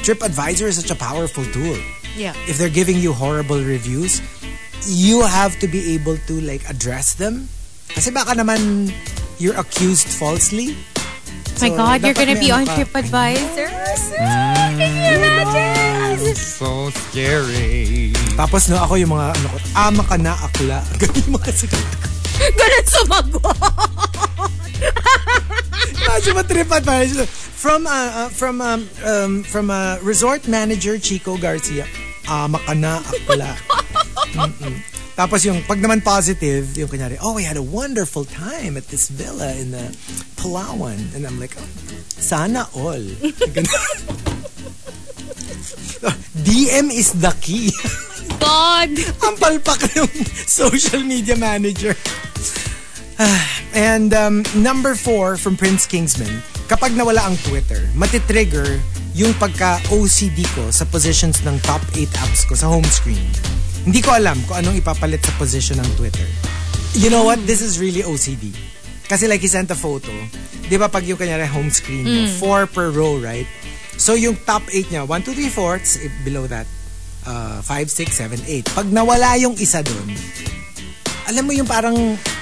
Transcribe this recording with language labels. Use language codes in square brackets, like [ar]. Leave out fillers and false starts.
[en] TripAdvisor is such a powerful tool. Yeah. If they're giving you horrible reviews, you have to be able to like address them. [tl] Kasi baka naman [en] you're accused falsely. So, my God, you're gonna be on TripAdvisor? Can you imagine? So scary. [tl] Tapos no, ako yung mga ano ko, ama ka na akla. Ganyan yung mga sagot. Ganun sumagot! Imagine mo TripAdvisor. [en] From a resort manager, [tl] Chico Garcia, ama ka na akla. Tapos yung pag naman positive, yung kunyari, [en] oh, we had a wonderful time at this villa in the Palawan. And I'm like, oh, [tl] sana all. [en] DM is the key. God! [tl] Ang palpak yung social media manager. [en] And number 4 from Prince Kingsman, [tl] kapag nawala ang Twitter, matitrigger yung pagka-OCD ko sa positions ng top 8 apps ko sa home screen. Hindi ko alam kung anong ipapalit sa position ng Twitter. [en] You know what? This is really OCD. Kasi like, he sent a photo. [tl] Di ba pag yung kanyari home screen, mm, 4 per row, right? So yung top 8 niya, 1, 2, 3, 4, below that, 5, 6, 7, 8. Pag nawala yung isa dun, alam mo yung parang,